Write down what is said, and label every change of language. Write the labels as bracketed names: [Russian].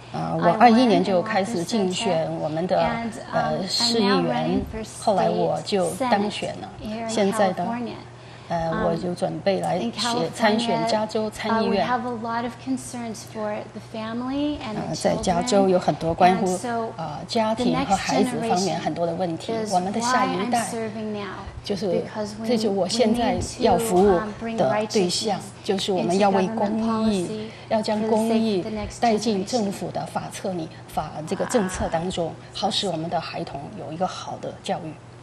[Chinese] 我2021年就开始竞选我们的市议员，后来我就当选了。现在的，我就准备来参选加州参议院。 [English] We have a lot of concerns for the family and the children. [Chinese] 在加州有很多关乎家庭和孩子方面很多的问题。我们的下一代。就是，这就是我现在要服务的对象，就是我们要为公益，要将公益带进政府的这个政策当中，好使我们的孩童有一个好的教育。